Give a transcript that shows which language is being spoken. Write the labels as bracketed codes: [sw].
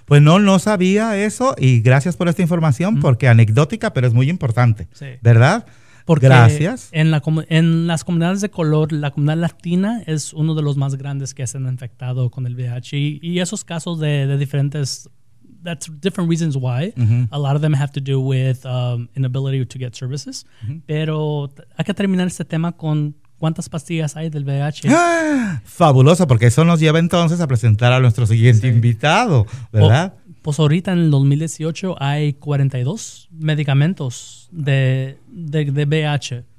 [es] Pues no sabía eso y gracias por esta información, porque anecdótica, pero es muy importante, sí. ¿Verdad? Porque gracias. En las comunidades de color, la comunidad latina es uno de los más grandes que se han infectado con el VIH y esos casos de diferentes, [en] that's different reasons why. Uh-huh. A lot of them have to do with inability to get services. Uh-huh. [es] Pero hay que terminar este tema con ¿cuántas pastillas hay del VIH? ¡Ah! Fabuloso, porque eso nos lleva entonces a presentar a nuestro siguiente invitado, ¿verdad? Pues ahorita en el 2018 hay 42 medicamentos de VIH.